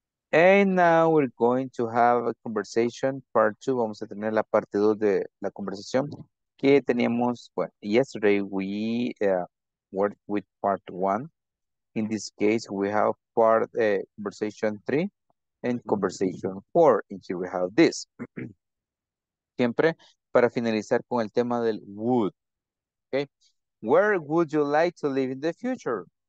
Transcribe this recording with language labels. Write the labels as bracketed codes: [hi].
[en] And now we're going to have a conversation, part two. [es] Vamos a tener la parte dos de la conversación que teníamos. [en] Well, yesterday we worked with part one. In this case, we have part conversation three and conversation four. And here we have this. [es] Siempre para finalizar con el tema del would. Okay. [en] Where would you like to live in the future?